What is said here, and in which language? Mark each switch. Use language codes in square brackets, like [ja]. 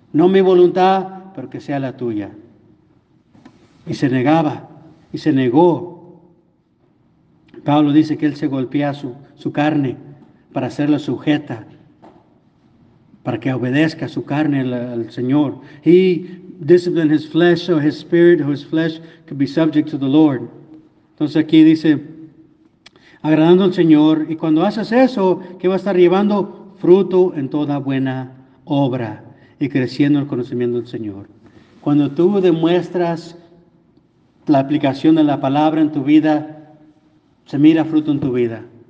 [es] No mi voluntad, pero que sea la tuya. Y se negaba, y se negó. Pablo dice que él se golpea su carne para hacerla sujeta, para que obedezca su carne al Señor. [en] He disciplined his flesh, so his spirit, whose flesh could be subject to the Lord. [es] Entonces aquí dice, agradando al Señor, y cuando haces eso, que va a estar llevando fruto en toda buena obra y creciendo el conocimiento del Señor. Cuando tú demuestras la aplicación de la palabra en tu vida, se mira fruto en tu vida.